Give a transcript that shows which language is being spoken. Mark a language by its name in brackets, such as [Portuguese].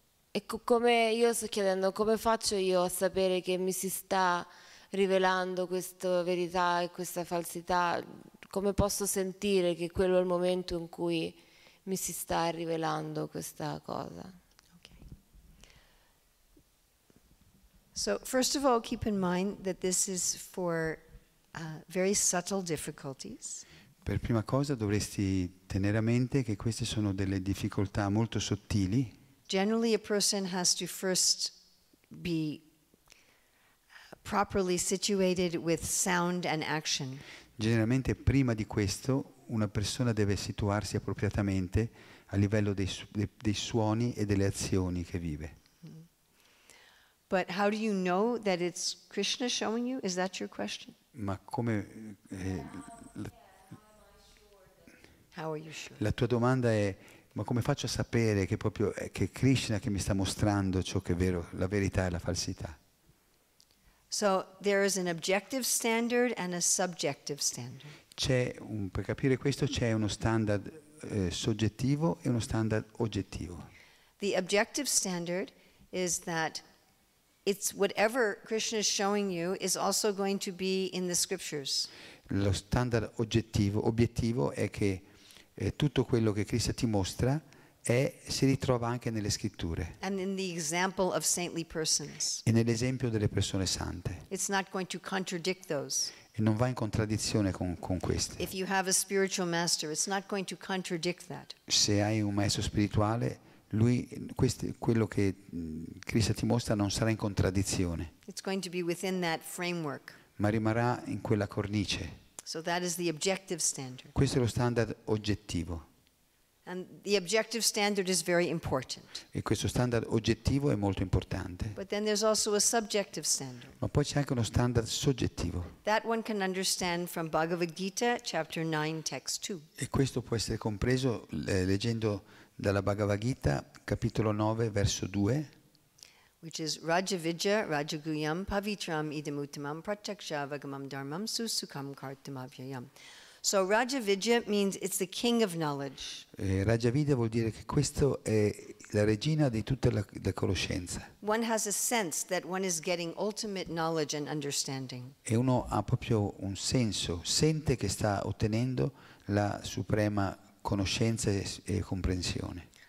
[Italian] E come io sto chiedendo, come faccio io a sapere che mi si sta rivelando questa verità e questa falsità, come posso sentire che quello è il momento in cui mi si sta rivelando questa cosa? [English] Okay. So first of all, keep in mind that this is for very subtle difficulties. [Italian] Per prima cosa dovresti tenere a mente che queste sono delle difficoltà molto sottili. [English] Generally a person has to first be properly situated with sound and action. [Italian] Generalmente prima di questo una persona deve situarsi appropriatamente a livello dei suoni e delle azioni che vive. [English] But how do you know that it's Krishna showing you? Is that your question? [Italian] Ma come [English] how are you sure? [Italian] La tua domanda è, ma come faccio a sapere che proprio che Krishna che mi sta mostrando ciò che è vero, la verità e la falsità? [English] So there is an objective standard and a subjective standard. [Italian] Per capire questo c'è uno standard soggettivo e uno standard oggettivo. [English] The objective standard is that it's whatever Krishna is showing you is also going to be in the scriptures. [Italian] Lo standard obiettivo è che tutto quello che Krishna ti mostra e si ritrova anche nelle scritture. [English] And in the example of saintly persons. [Italian] E nell'esempio delle persone sante. [English] It's not going to contradict those. [Italian] E non va in contraddizione con queste. [English] If you have a spiritual master, it's not going to contradict that. [Italian] Se hai un maestro spirituale, quello che Cristo ti mostra non sarà in contraddizione. [English] It's going to be within that framework. [Italian] Ma rimarrà in quella cornice. [English] So that is the objective standard. [Italian] Questo è lo standard oggettivo. [English] And the objective standard is very important. [Italian] E questo standard oggettivo è molto importante. [English] But then there's also a subjective standard. [Italian] Ma poi c'è anche uno standard soggettivo. [English] That one can understand from Bhagavad Gita, chapter 9, text 2. [Italian] E questo può essere compreso leggendo dalla Bhagavad Gita, capitolo 9, verso 2. [Sanskrit] Which is Rajavijja, Rajaguyam, Pavitram, Idamuttamam, Pratyaksha, Vagamam, Dharmam, Susukam, Kartamavyayam. [English] So Rajavijja means it's the king of knowledge. [Italian] Rajavijja vuol dire che questo è la regina di tutta la conoscenza. [English] One has a sense that one is getting ultimate knowledge and understanding. [Italian] E uno ha proprio un senso, sente che sta ottenendo la suprema conoscenza e comprensione.